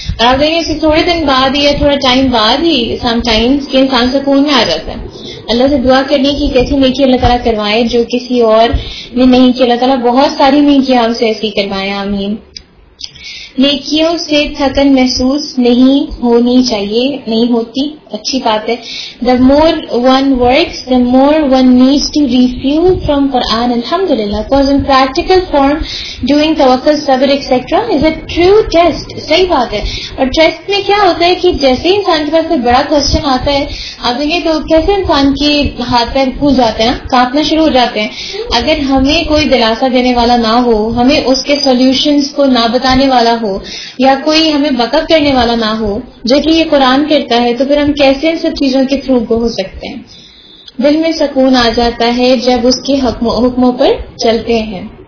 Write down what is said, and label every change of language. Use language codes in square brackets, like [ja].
[ur] اور آپ دیکھیں کہ تھوڑے دن بعد یا تھوڑا ٹائم بعد ہی [en] sometimes [ur] کہ انسان سکون میں آ جاتا ہے. اللہ سے دعا کرنی کی کیسی نیکی اللہ تعالیٰ کروائے جو کسی اور نے نہیں کی. اللہ تعالیٰ بہت ساری نیکیاں ہم سے ایسی کروائیں. آمین. نیکیوں سے تھکن محسوس نہیں ہونی چاہیے, نہیں ہوتی, اچھی بات ہے. [en] The more one works the more one needs to refuel from قرآن الحمد للہ because in practical form doing توکل صبر etcetera is a true test. [ur] صحیح بات ہے. اور ٹیسٹ میں کیا ہوتا ہے کہ جیسے ہی انسان کے پاس کوئی بڑا کوشچن آتا ہے آپ دیکھیں تو کیسے انسان کے ہاتھ پیر پھول جاتے ہیں, کانپنا شروع ہو جاتے ہیں. اگر ہمیں کوئی دلاسا دینے والا نہ ہو, ہمیں اس کے سولوشنس کو نہ بتانے والا ہو یا کوئی ہمیں بکف کرنے والا نہ ہو جو کہ یہ قرآن کرتا ہے, تو پھر ہم کیسے ان سب چیزوں کے [en] through go [ur] ہو سکتے ہیں؟ دل میں سکون آ جاتا ہے جب اس کے حکموں پر چلتے ہیں.